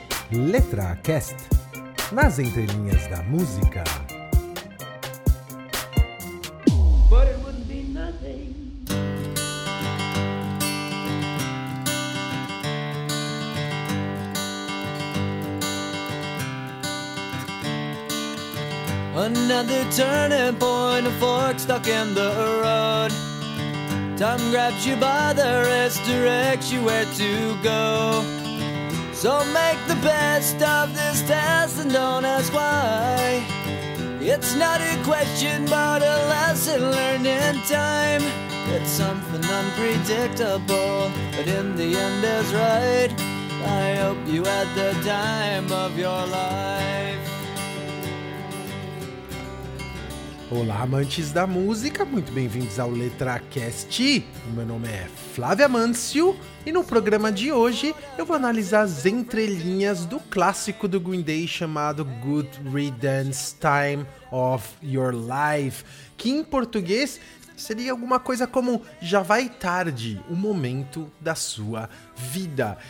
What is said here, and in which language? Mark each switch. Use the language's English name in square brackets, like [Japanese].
[Portuguese] LetraCast, nas entrelinhas da música. [English] But it wouldn't be nothing. Another turning point, a fork stuck in the road. Time grabs you by the wrist, directs you where to go. So make the best of this test and don't ask why. It's not a question but a lesson learned in time. It's something unpredictable, but in the end is right. I hope you had the time of your life. [Portuguese] Olá, amantes da música, muito bem-vindos ao LetraCast. Meu nome é Flávia Mâncio e no programa de hoje eu vou analisar as entrelinhas do clássico do Green Day chamado Good Riddance, Time of Your Life, que em português seria alguma coisa como Já Vai Tarde, o momento da sua vida.